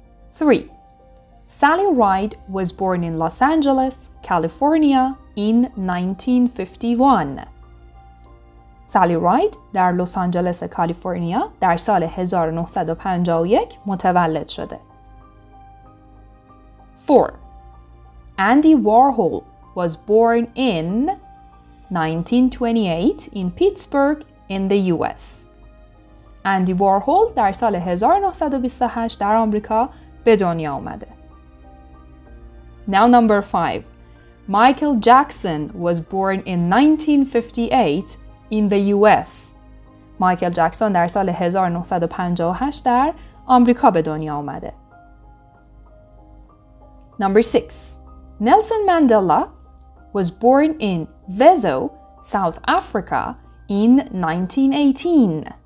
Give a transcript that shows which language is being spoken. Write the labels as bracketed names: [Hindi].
[English] 3. Sally Ride was born in Los Angeles, California in 1951. [Persian] Sally Ride در لس آنجلس کالیفرنیا در سال 1951 متولد شده. [English] 4. Andy Warhol was born in 1928 in Pittsburgh in the US. [Persian] Andy Warhol در سال 1928 در آمریکا به دنیا آمده. [English] Now number 5. Michael Jackson was born in 1958 in the US. [Persian] Michael Jackson در سال 1958 در آمریکا به دنیا آمده. [English] Number 6. Nelson Mandela was born in Vezo, South Africa in 1918.